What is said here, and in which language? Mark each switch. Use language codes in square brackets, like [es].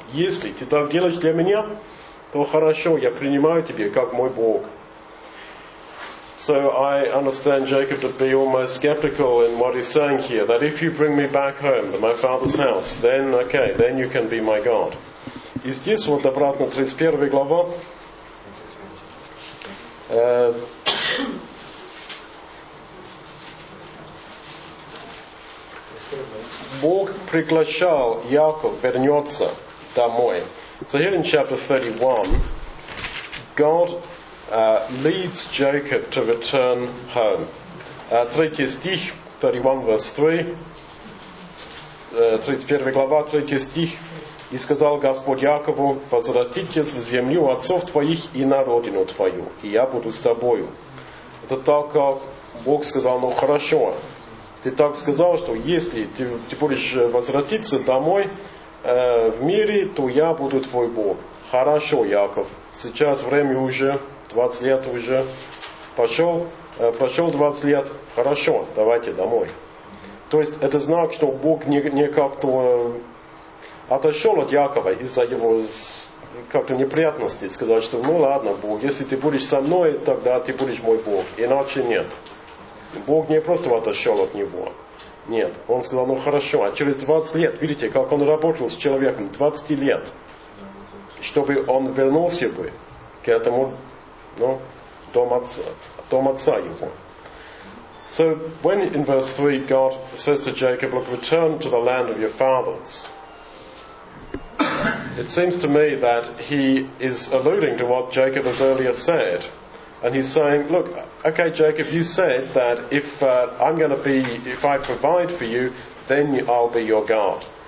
[ru] Если ты так делаешь для меня, то хорошо, я принимаю тебя как мой Бог. [en] So I understand Jacob to be almost skeptical in what he's saying here, that if you bring me back home to my father's house, then okay, then you can be my God. [ru] И здесь вот обратно 31 глава. Бог приглашал Яков вернется домой. [en] So here in chapter 31, God leads Jacob to return home. [ru] Третий стих, 31 [en] verse 3. [ru] 31 глава, третий стих. И сказал Господь Якову, возвратитесь в землю отцов твоих и на родину твою, и я буду с тобою. Это так, как Бог сказал, ну хорошо, ты так сказал, что если ты будешь возвратиться домой в мире, то я буду твой Бог. Хорошо, Яков, сейчас время уже, 20 лет уже, прошел 20 лет, хорошо, давайте домой. То есть это знак, что Бог не как-то отошел от Якова из-за его как-то неприятностей, сказать, что ну ладно, Бог, если ты будешь со мной, тогда ты будешь мой Бог. Иначе нет. Бог не просто отошел от него. Нет. Он сказал, ну хорошо, а через 20 лет, видите, как он работал с человеком 20 лет, чтобы он вернулся бы к этому, ну, дом отца его. [en] So, when in verse 3 God says to Jacob, look, return to the land of your fathers, it seems to me that he is alluding to what Jacob has earlier said. And he's saying, look, okay, Jacob, you said that if I provide for you, then I'll be your God.